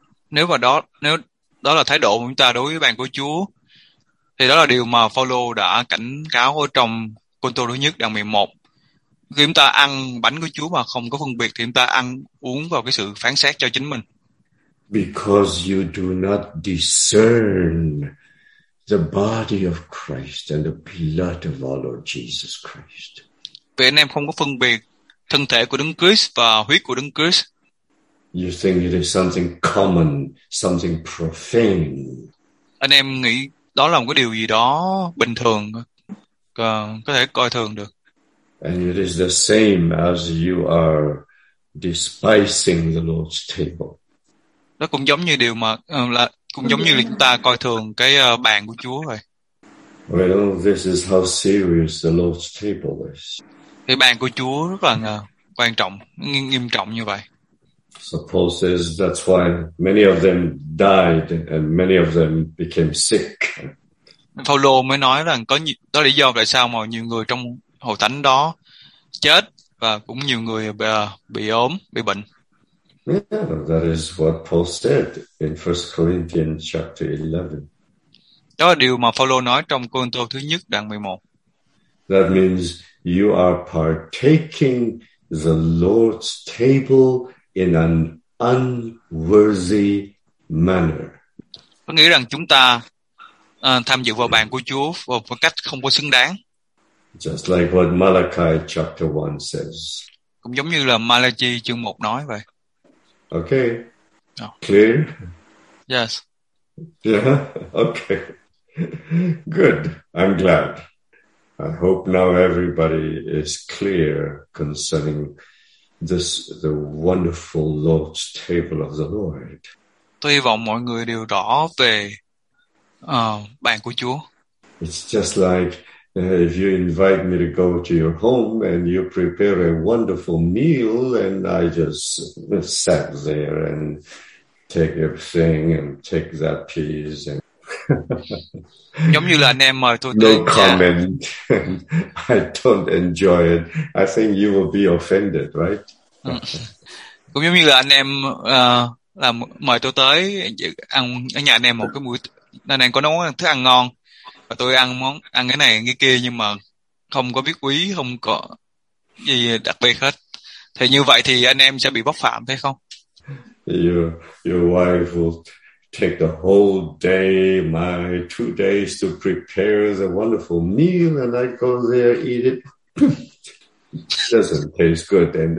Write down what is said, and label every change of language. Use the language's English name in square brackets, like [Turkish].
[Vietnamese] Nếu đó là thái độ của chúng ta đối với bàn của Chúa, thì đó là điều mà Phaolô đã cảnh cáo ở trong Côn-tô thứ nhất đoạn 11. Khi chúng ta ăn bánh của Chúa mà không có phân biệt, thì chúng ta ăn uống vào cái sự phán xét cho chính mình. [English] Because you do not discern the body of Christ and the blood of our Lord Jesus Christ. [Vietnamese] Vì anh em không có phân biệt thân thể của Đấng Christ và huyết của Đấng Christ. [English] You think it is something common, something profane. [Vietnamese] Anh em nghĩ đó là một cái điều gì đó bình thường, có thể coi thường được. [English] And it is the same as you are despising the Lord's table. [Vietnamese] Nó cũng giống như điều mà là cũng giống như là chúng ta coi thường cái bàn của Chúa rồi. [English] Well, this is how serious the Lord's table is. [Vietnamese] Cái bàn của Chúa rất là quan trọng, nghiêm trọng như vậy. [English] So Paul says that's why many of them died and many of them became sick. [Vietnamese] Phaolô mới nói rằng có đó lý do tại sao mà nhiều người trong hội thánh đó chết và cũng nhiều người bị ốm, bị bệnh. [English] Yeah, that is what Paul said in 1 Corinthians chapter 11. [Vietnamese] Đó là điều mà Phaolô nói trong Côrintô thứ nhất đoạn 11. [English] That means you are partaking the Lord's table in an unworthy manner. [Vietnamese] Có nghĩa rằng chúng ta tham dự vào bàn của Chúa một cách không có xứng đáng. [English] Just like what Malachi chapter 1 says. [Vietnamese] Cũng giống như là Malachi chương 1 nói vậy. [English] Okay. Clear? Yes. Yeah. Okay. Good. I'm glad. I hope now everybody is clear concerning this the wonderful Lord's table of the Lord. [Vietnamese] Tôi hy vọng mọi người đều rõ về bàn của Chúa. [English] It's just like if you invite me to go to your home and you prepare a wonderful meal and I just sat there and take everything and take that piece and [Vietnamese] giống như là anh em mời tôi [English] no comment. I don't enjoy it. I think you will be offended, right? [Vietnamese] Cũng giống như là anh em là mời tôi tới ăn ở nhà anh em một cái buổi, anh em có nấu thức ăn ngon và tôi ăn món ăn cái này cái kia nhưng mà không có biết quý, không có gì đặc biệt hết. Thì như vậy thì anh em sẽ bị bóc phạm phải không? [English] Your wife will take the whole day, my 2 days to prepare the wonderful meal and I go there, eat it. Doesn't taste good.